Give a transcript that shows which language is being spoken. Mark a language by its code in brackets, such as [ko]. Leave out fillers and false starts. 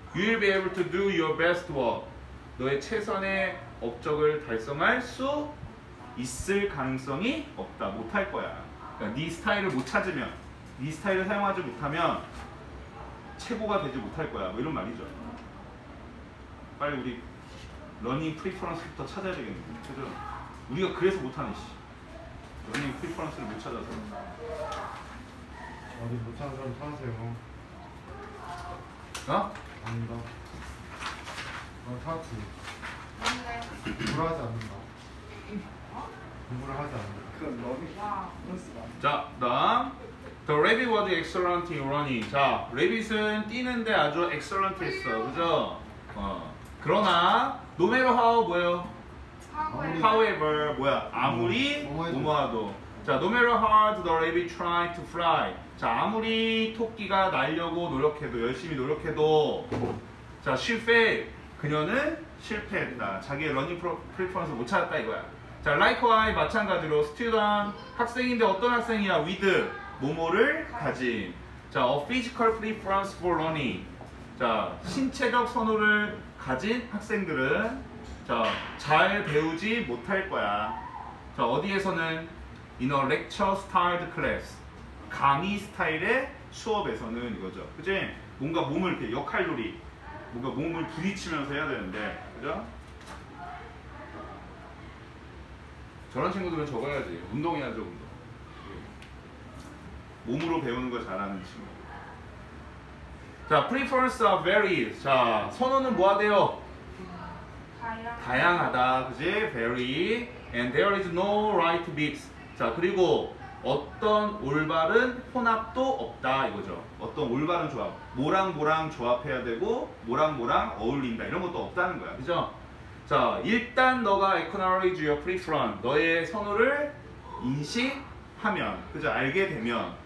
[en] You'll be able to do your best work. [ko] 너의 최선의 업적을 달성할 수 있을 가능성이 없다, 못할 거야. 그러니까 네 스타일을 못 찾으면, 네 스타일을 사용하지 못하면 최고가 되지 못할 거야, 뭐 이런 말이죠. 빨리 우리 러닝 프리퍼런스부터 찾아야 되겠네. 그죠? 우리가 그래서 못하네, 씨. 러닝 프리퍼런스를 못 찾아서. 어디 못 찾는 사람 찾으세요. 어? 아닙니다. 어, 찾지. 공부를 하지 않는다. 공부를 하지 않는다. 자, 다음 [en] The rabbit was excellent in running. [ko] 자, 래빗은 뛰는데 아주 excellent 했어, 그죠? 어. 그러나 [en] no matter how [ko] 뭐예요? However 뭐야? 아무리 무모하도. [en] 자, no matter how hard the rabbit tried to fly. [ko] 자, 아무리 토끼가 날려고 노력해도 열심히 노력해도 자 실패. 그녀는 실패했다. 자기의 러닝 프리퍼런스 못 찾았다 이거야. 자, likewise 마찬가지로 student 학생인데 어떤 학생이야? [en] with [ko] 모모를 가진. 자, [en] a physical preference for running. [ko] 자, 신체적 선호를 가진 학생들은 자, 잘 배우지 못할 거야. 자, 어디에서는 [en] in a lecture styled class. [ko] 강의 스타일의 수업에서는 이거죠. 그치? 뭔가 몸을 이렇게 역할놀이. 뭔가 몸을 부딪히면서 해야 되는데. 그죠? 저런 친구들은 적어야지. 운동해야죠, 운동. 몸으로 배우는 걸 잘하는 친구. [en] 자, preference are varied. [ko] 자, 선호는 뭐가 돼요? 다양하다. 그지? Vary. [en] And there is no right mix. [ko] 자, 그리고 어떤 올바른 혼합도 없다. 이거죠. 어떤 올바른 조합. 뭐랑 뭐랑 조합해야 되고, 뭐랑 뭐랑 어울린다. 이런 것도 없다는 거야. 그죠? 자, 일단 너가 [en] acknowledge your preference. [ko] 너의 선호를 인식하면. 그죠? 알게 되면.